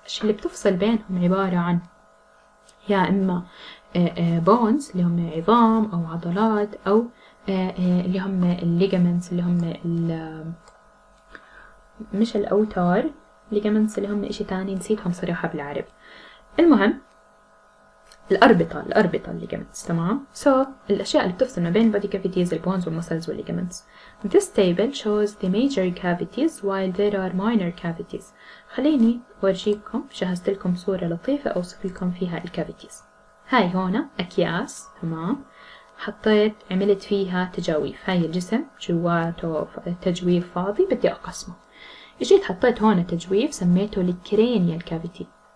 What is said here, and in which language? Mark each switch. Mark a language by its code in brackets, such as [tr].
[ar] الشيء اللي بتفصل بينهم عبارة عن يا إما bones اللي هم عظام أو عضلات، أو اللي هم ligaments اللي هم مش الأوتار، ligaments اللي هم إشي تاني نسيتهم صراحة بالعرب. المهم الأربطة، الأربطة اللي جمنت، تمام؟ So الأشياء اللي بتفصل ما بين body cavities، the bones والmuscles واللي جمنت. [en] This table shows the major cavities while there are minor cavities. [ar] خليني أورجيكم، جهزت لكم صورة لطيفة أوصف لكم فيها الكافيتيز. هاي هنا أكياس، تمام؟ حطيت عملت فيها تجاويف، هاي الجسم جواته تجويف فاضي بدي أقسمه. جيت حطيت هنا تجويف سميته cranial cavity.